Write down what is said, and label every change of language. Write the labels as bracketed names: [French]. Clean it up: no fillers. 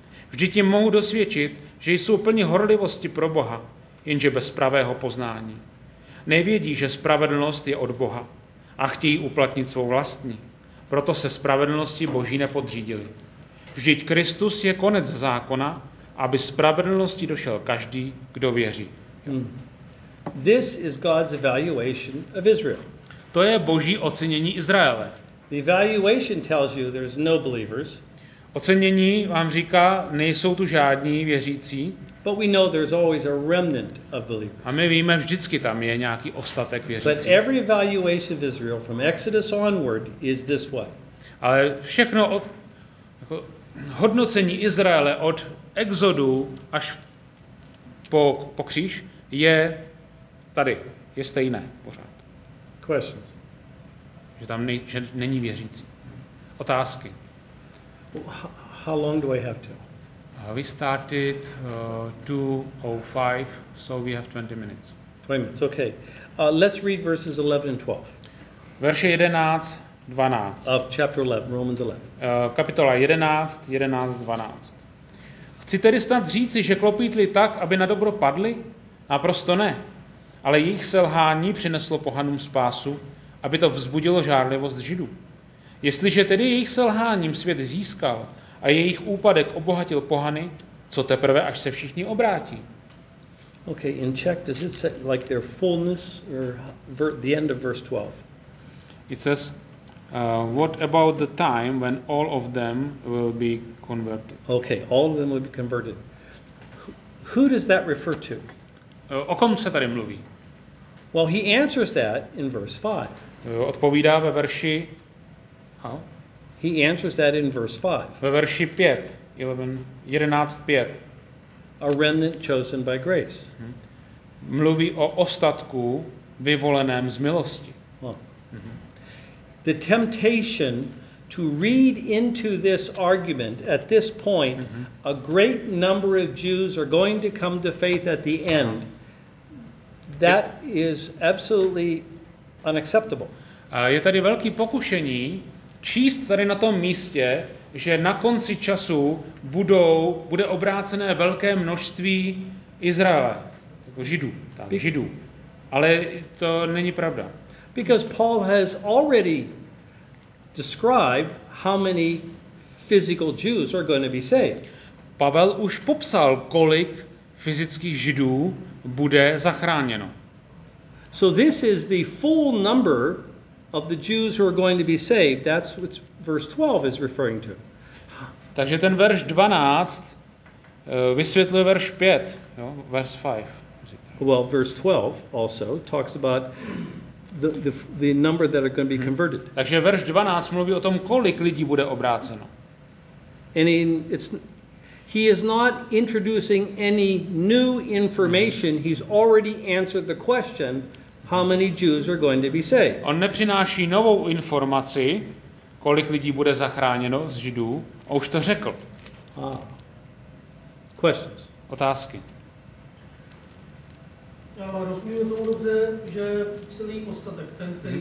[Czech] Vždyť jim mohu dosvědčit, že jsou plni horlivosti pro Boha, jenže bez pravého poznání. Nevědí, že spravedlnost je od Boha a chtějí uplatnit svou vlastní. Proto se spravedlnosti Boží nepodřídili. Vždyť Kristus je konec zákona, aby spravedlnosti došel každý, kdo věří. [English] This is God's evaluation of Israel. [Czech] To je Boží ocenění Izraele. [English] The evaluation tells you there's no believers. [Czech] Ocenění vám říká, nejsou tu žádní věřící. [English] But we know there's always a remnant of believers. [Czech] A my víme, vždycky tam je nějaký ostatek věřící. [English] But every evaluation of Israel from Exodus onward is this way. [Czech] Ale všechno od jako hodnocení Izraele od Exodu až po kříž je tady, je stejné pořád. [English] Questions. [Czech] Že tam že není věřící. Otázky. [English] How long do I have to? We started 2:05, so we have 20 minutes. 20 minutes, okay. Let's read verses 11 and 12. [Czech] Verše 11, 12. [English] Of chapter 11, Romans 11. [Czech] Kapitola 11, 11, 12. Chci tedy snad říci, že klopítli tak, aby na dobro padli? Naprosto ne. Ale jejich selhání přineslo pohanům spásu, aby to vzbudilo žárlivost Židů. Jestliže tedy jejich selháním svět získal a jejich úpadek obohatil pohany, co teprve, až se všichni obrátí? [English] Okay, in Czech, does it say like their fullness or the end of verse 12? It says, what about the time when all of them will be converted? Okay, all of them will be converted. Who does that refer to? [Czech] O kom se tady mluví? [English] Well, he answers that in verse 5. [Czech] Odpovídá ve verši. [English] He answers that in verse 5. [Czech] Ve verši 5, 11:5. [English] A remnant chosen by grace. [Czech] Mluví o ostatku vyvoleném z milosti. [English] The temptation to read into this argument at this point, a great number of Jews are going to come to faith at the end. That is absolutely unacceptable. [Czech] Je tady velký pokušení číst tady na tom místě, že na konci času bude obrácené velké množství Izraele, jako Židů, tak, Židů. Ale to není pravda. [English] Because Paul has already described how many physical Jews are going to be saved. [Czech] Pavel už popsal, kolik fyzických Židů bude zachráněno. [English] So this is the full number of the Jews who are going to be saved. That's what verse 12 is referring to. [Czech] Takže ten verš 12 vysvětluje verš 5, jo, [English] verse 5. Well, verse 12 also talks about the number that are going to be converted. [Czech] Takže verš 12 mluví o tom, kolik lidí bude obráceno. [English] And he is not introducing any new information. He's already answered the question, how many Jews are going to be saved? [Czech] On nepřináší novou informaci, kolik lidí bude zachráněno z Židů, a už to řekl. [English] Questions. [Czech] Otázky. Rozumím tomu dobře, že celý ostatek, ten, který